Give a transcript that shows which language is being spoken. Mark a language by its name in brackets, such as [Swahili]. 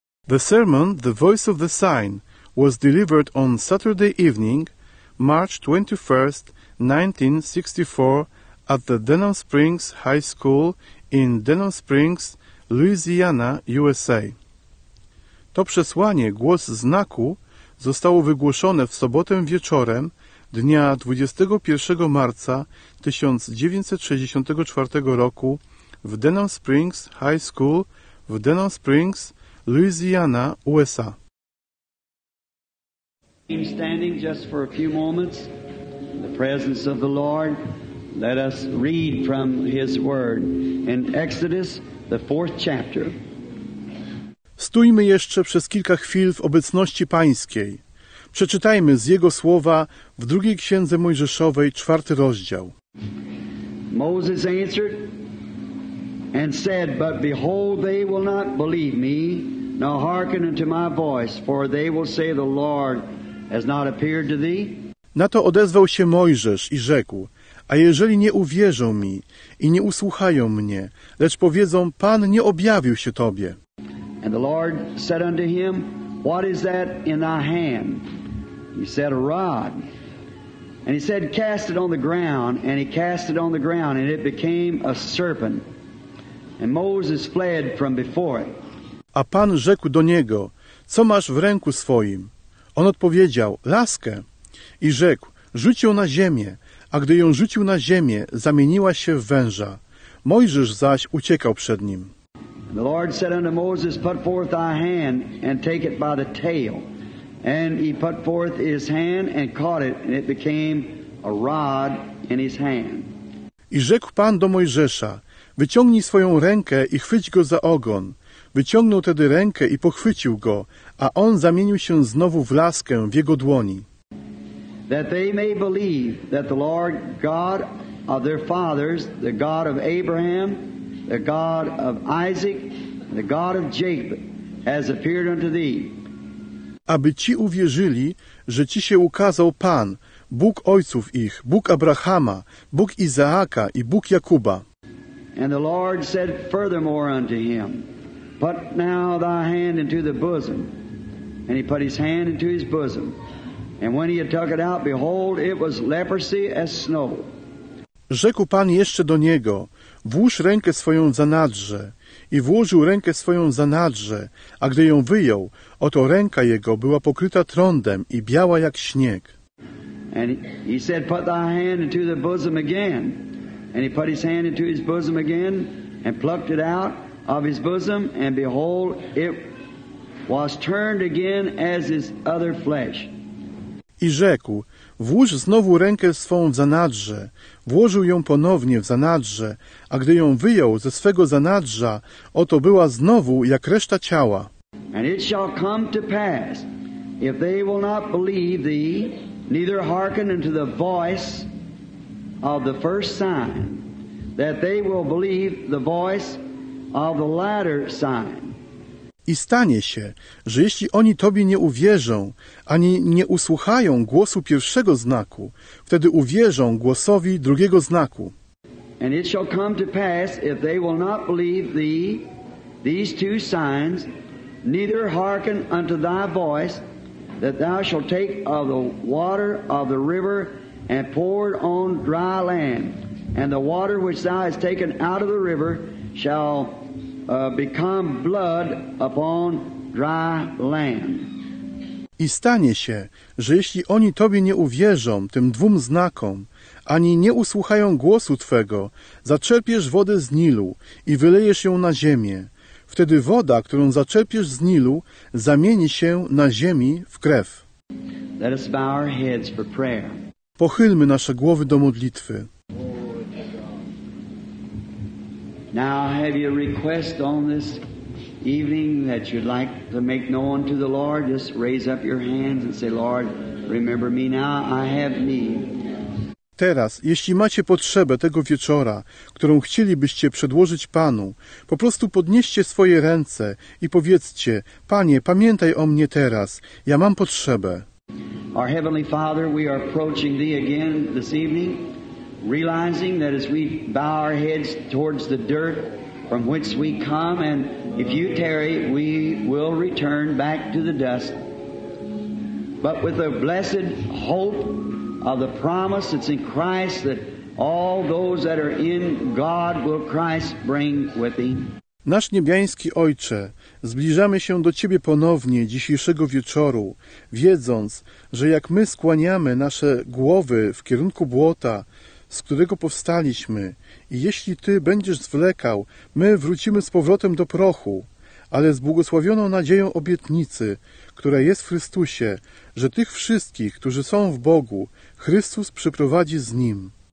[English] The sermon, The Voice of the Sign, was delivered on Saturday evening, March 21, 1964, at the Denham Springs High School in Denham Springs, Louisiana, USA. [Polish] To przesłanie, Głos Znaku, zostało wygłoszone w sobotę wieczorem dnia 21 marca 1964 roku w Denham Springs High School w Denham Springs, Louisiana, USA. [English] Keep standing just for a few moments in the presence of the Lord. Let us read from His Word in Exodus, the 4th chapter. [Polish] Stójmy jeszcze przez kilka chwil w obecności Pańskiej. Przeczytajmy z Jego słowa w 2 Księdze Mojżeszowej, 4 rozdział. [English] Moses answered and said, but behold, they will not believe me, nor hearken unto my voice, for they will say, the Lord has not appeared to thee. [Polish] Na to odezwał się Mojżesz i rzekł, a jeżeli nie uwierzą mi i nie usłuchają mnie, lecz powiedzą, Pan nie objawił się tobie. [English] And the Lord said unto him, what is that in thy hand? He said, a rod. And he said, cast it on the ground. And he cast it on the ground, and it became a serpent. And Moses fled from before it. [Polish] A Pan rzekł do niego, co masz w ręku swoim? On odpowiedział, laskę. I rzekł, rzuć ją na ziemię. A gdy ją rzucił na ziemię, zamieniła się w węża. Mojżesz zaś uciekał przed nim. [English] And the Lord said unto Moses, put forth thy hand, and take it by the tail. And he put forth his hand, and caught it, and it became a rod in his hand. [Polish] I rzekł Pan do Mojżesza, wyciągnij swoją rękę i chwyć go za ogon. Wyciągnął tedy rękę i pochwycił go, a on zamienił się znowu w laskę w jego dłoni. [English] That they may believe that the Lord God of their fathers, the God of Abraham, the God of Isaac, the God of Jacob, has appeared unto thee. [Polish] Aby ci uwierzyli, że ci się ukazał Pan, Bóg ojców ich, Bóg Abrahama, Bóg Izaaka i Bóg Jakuba. [English] And the Lord said furthermore unto him, put now thy hand into the bosom. And he put his hand into his bosom. And when he had took it out, behold, it was leprosy as snow. [Polish] Rzekł Pan jeszcze do niego, włóż rękę swoją za nadrze. I włożył rękę swoją za nadrze, a gdy ją wyjął, oto ręka jego była pokryta trądem i biała jak śnieg. [English] And he said, put thy hand into the bosom again. And he put his hand into his bosom again and plucked it out of his bosom, and behold, it was turned again as his other flesh. [Polish] I rzekł, włóż znowu rękę swą w zanadrze. Włożył ją ponownie w zanadrze, a gdy ją wyjął ze swego zanadrza, oto była znowu jak reszta ciała. [English] And it shall come to pass, if they will not believe thee, neither hearken unto the voice of the first sign, that they will believe the voice of the latter sign. [Polish] I stanie się, że jeśli oni Tobie nie uwierzą, ani nie usłuchają głosu pierwszego znaku, wtedy uwierzą głosowi drugiego znaku. [English] And it shall come to pass, if they will not believe thee, these two signs, neither hearken unto thy voice, that thou shalt take of the water of the river and pour it on dry land, and the water which thou hast taken out of the river shall become blood upon dry land. [Polish] I stanie się, że jeśli oni Tobie nie uwierzą tym dwóm znakom, ani nie usłuchają głosu Twego, zaczerpiesz wodę z Nilu i wylejesz ją na ziemię. Wtedy woda, którą zaczerpiesz z Nilu, zamieni się na ziemi w krew. [English] Let us bow our heads for prayer. [Polish] Pochylmy nasze głowy do modlitwy. [English] Now have you a request on this evening that you'd like to make known to the Lord? Just raise up your hands and say, Lord, remember me now, I have need. [Polish] Teraz, jeśli macie potrzebę tego wieczora, którą chcielibyście przedłożyć Panu, po prostu podnieście swoje ręce i powiedzcie, Panie, pamiętaj o mnie teraz, ja mam potrzebę. [English] Our Heavenly Father, we are approaching Thee again this evening, realizing that as we bow our heads towards the dirt from which we come and if you tarry, we will return back to the dust. But with the blessed hope of the promise that's in Christ, that all those that are in God will Christ bring with him. [Polish] Nasz niebiański Ojcze, zbliżamy się do Ciebie ponownie dzisiejszego wieczoru, wiedząc, że jak my skłaniamy nasze głowy w kierunku błota, z którego powstaliśmy, i jeśli Ty będziesz zwlekał, my wrócimy z powrotem do prochu, ale z błogosławioną nadzieją obietnicy, która jest w Chrystusie, że tych wszystkich, którzy są w Bogu, Chrystus przyprowadzi z Nim.